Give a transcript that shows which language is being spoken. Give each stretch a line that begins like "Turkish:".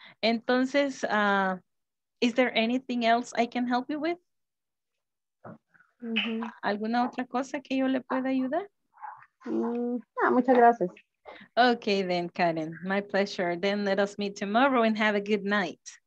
Spanish: Entonces,
English: is there anything else I can help you with?
Spanish: ¿Alguna otra cosa que yo le pueda ayudar? Muchas gracias.
English: Okay then, Karen. My pleasure. Then let us meet tomorrow and have a good night.